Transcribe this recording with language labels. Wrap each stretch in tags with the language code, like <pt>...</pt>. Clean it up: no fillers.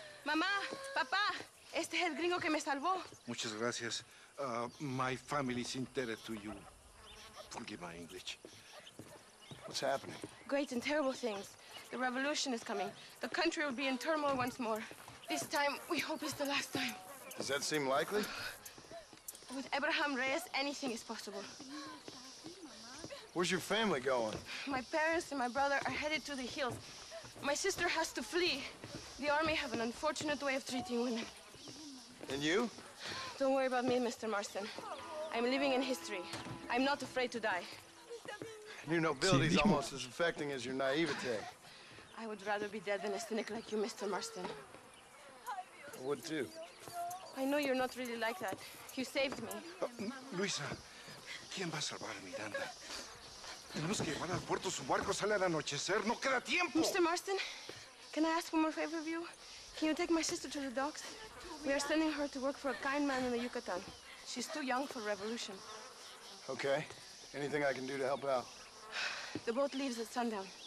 <es>Mama, Papa, este es el gringo que me salvó. Muchas gracias.</es> <en>My family's indebted to you. Forgive my English. What's happening? Great and terrible things. The revolution is coming. The country will be in turmoil once more. This time, we hope it's the last time. Does that seem likely? With Abraham Reyes, anything is possible. Where's your family going? My parents and my brother are headed to the hills. My sister has to flee. The army have an unfortunate way of treating women. And you? Don't worry about me, Mr. Marston. I'm living in history. I'm not afraid to die. Your nobility is almost as affecting as your naivete. I would rather be dead than a cynic like you, Mr. Marston. I would too. I know you're not really like that. You saved me.</en> <es>Luisa, ¿quién va a salvar a Miranda? Tenemos que llevar al puerto su barco, sale al anochecer, no queda tiempo.</es> <en>Mr. Marston, can I ask one more favor of you? Can you take my sister to the docks? We are sending her to work for a kind man in the Yucatan. She's too young for revolution. Okay. Anything I can do to help out? The boat leaves at sundown.</en>